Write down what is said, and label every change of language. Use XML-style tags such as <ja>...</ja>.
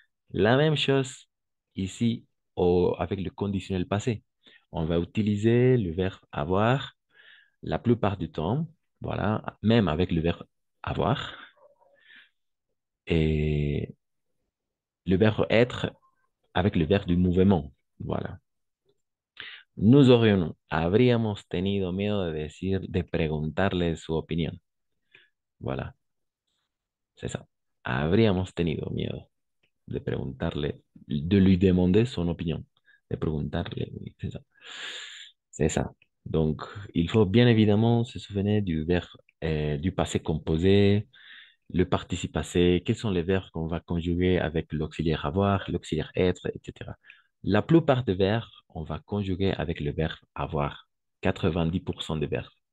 <fr>La même chose ici avec le conditionnel passé. On va utiliser le verbe avoir la plupart du temps, voilà, même avec le verbe avoir. Et le verbe être avec le verbe du mouvement. Voilà.</fr> <es>Habríamos tenido miedo de decir, de preguntarle su opinión.</es> <fr>Voilà. C'est ça.</fr> <es>Habríamos tenido miedo de preguntarle,</es> <fr>de lui demander son opinion.</fr> <es>De preguntarle,</es> <fr>oui, c'est ça. C'est ça. Donc, il faut bien évidemment se souvenir du verbe, du passé composé. Le participe passé, quels sont les verbes qu'on va conjuguer avec l'auxiliaire avoir, l'auxiliaire être, etc. La plupart des verbes, on va conjuguer avec le verbe avoir, 90% des verbes.</fr>